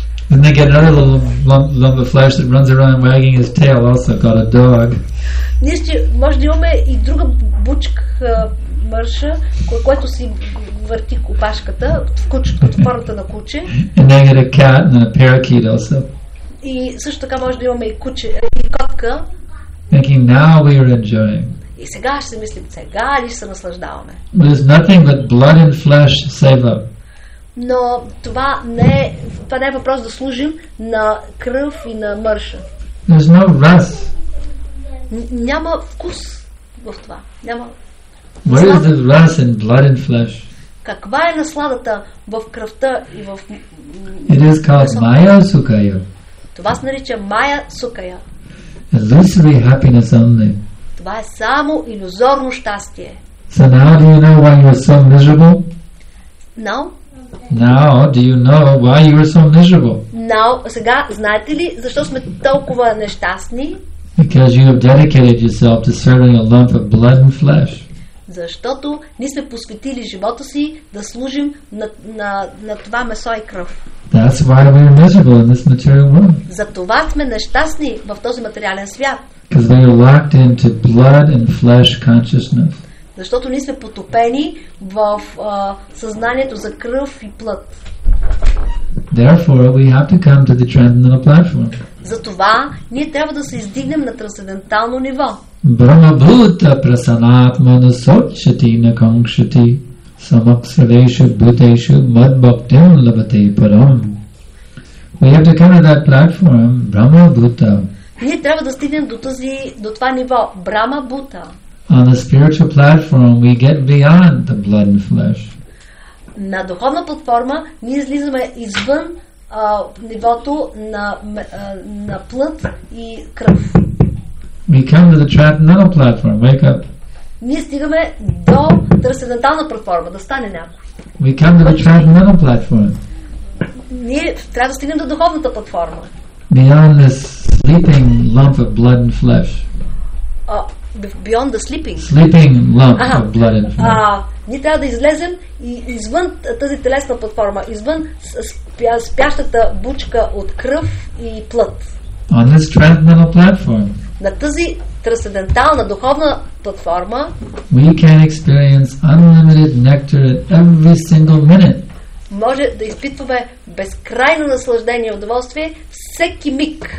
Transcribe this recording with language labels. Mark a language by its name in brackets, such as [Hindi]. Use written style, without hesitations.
[English] Then they get another little lump of flesh that runs around wagging his tail, also got a dog. [Bulgarian] Ние ще може да имаме и друга бучка мърша, който си върти копашката в формата на куче. [English] And they get a cat and a parakeet also. [Bulgarian] И също така може да имаме и куче, и котка. [English] Thinking now we are enjoying. [Bulgarian] И сега ще се мислим, сега ли ще се наслаждаваме. [English] There's nothing but blood and flesh save up. [Bulgarian] Но това не е въпрос да служим на кръв и на мърша. [English] There's no rest. [Bulgarian] Няма вкус в това. Няма. [English] Where is the rest in blood and flesh? [Bulgarian] Каква е насладата в кръвта и в... [English] It is called Maya Sukaya. [Bulgarian] Това се нарича Maya Sukaya. [English] Illusory happiness only. [Bulgarian] Това е само илюзорно щастие. [English] So now do you know why you are so miserable? No. Now do you know why you are so miserable? [Bulgarian] Now, сега знаете ли защо сме толкова нещастни? [English] Because you have dedicated yourself to serving a lump of blood and flesh. [Bulgarian] Защото ние сме посветили живота си да служим на това месо и кръв. [English] That's why we are miserable in this material world. [Bulgarian] Затова сме нещастни в този материален свят. [English] Because we are locked into blood and flesh consciousness. [Bulgarian] Защото ние сме потопени в съзнанието за кръв и плът. [English] Therefore, we have to come to the transcendental platform. [Bulgarian] Затова ние трябва да се издигнем на трансцендентално ниво. [Sanskrit] Брахмабута прасанатмана сочати на кангшати самаксавешу бутешу мадбхактим лабате парам. [English] We have to come to that platform, Брахмабута. [Bulgarian] Ние трябва да стигнем до това ниво, Брахмабута. [English] On the spiritual platform, we get beyond the blood and flesh. [Bulgarian] На духовна платформа ние излизаме извън нивото на плът и кръв. [English] We come to the transcendental platform. Wake up. [Bulgarian] Ние стигаме до трансцендентална платформа, да стане някой. [English] We come to the transcendental platform. [Bulgarian] Ние трябва да стигнем до духовната платформа. [English] Beyond the sleeping lump of blood and flesh. Beyond the sleeping. Sleeping lump of blood and flesh. [Bulgarian] Ние трябва да излезем извън тази телесна платформа, извън спящата бучка от кръв и плът. [English] On this transcendental platform. [Bulgarian] На тази трансцендентална духовна платформа. [English] We can experience unlimited nectar at every single minute. [Bulgarian] Може да изпитваме безкрайно наслаждение и удоволствие всеки миг.